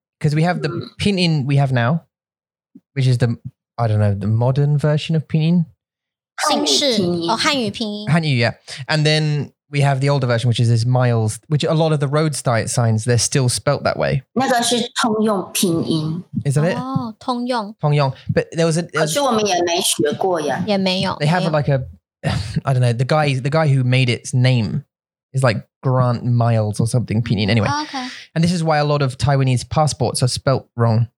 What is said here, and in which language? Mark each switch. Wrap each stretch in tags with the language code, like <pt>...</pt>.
<en>Because we have the pinyin we have now, which is the, I don't know, the modern version of pinyin.</en> <zh>新式, oh, 汉语拼音. 汉语, yeah.</zh> <en>And then, we have the older version, which is this Miles, which a lot of the road signs, they're still spelt that way.</en> <zh>那个是通用拼音.</zh> <en>Is that it?</en> <zh>Oh, 通用.</zh> <en>通用.But there was a...</en> <zh>可是我们也没学过呀。也没有。</zh> <en>They have like a... I don't know, the guy who made its name is like Grant Miles or something, pinyin. Anyway, oh, okay. And this is why a lot of Taiwanese passports are spelt wrong.</en>